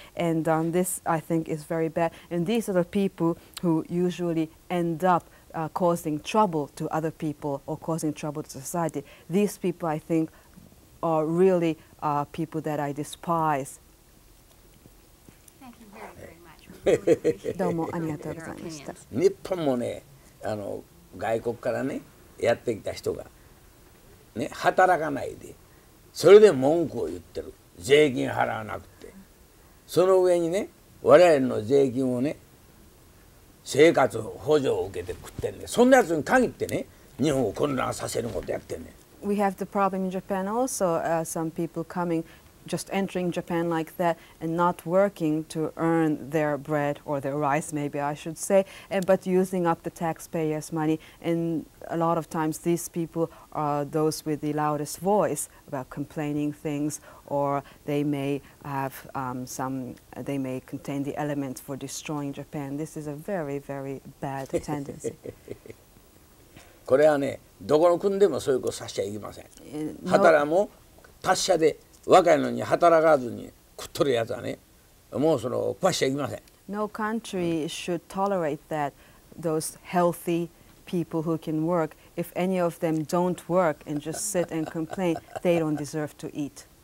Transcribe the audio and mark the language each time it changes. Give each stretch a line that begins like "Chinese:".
English: And this, I think, is very bad. And these are the people who usually end up causing trouble to other people or causing trouble to society. These people, I think, are really people that I despise. Thank you very, very much.
Japanese: どうもありがとうございました。日本もね、外国からね、やってきた人が、ね、働かないで、それで文句を言ってる。税金払わなくて。その上にね、我々の税金をね、生活補助を受けて食ってんね。そんなやつに限ってね、日本を混乱させることやってんね。
English: We have the problem in Japan also. Some people coming, just entering Japan like that and not working to earn their bread or their rice, maybe I should say, but using up the taxpayers' money. And a lot of times these people are those with the loudest voice about complaining things, or they may have they may contain the elements for destroying Japan. This is a very, very bad tendency.
Japanese: これはね、どこの国でもそういうことさせちゃいけません。働も達者で若いのに働かずに食っとるやつはね、もうその食わしちゃいけません。
English: No country should tolerate that those healthy people who can work, if any of them don't work and just sit and complain, they don't deserve to eat.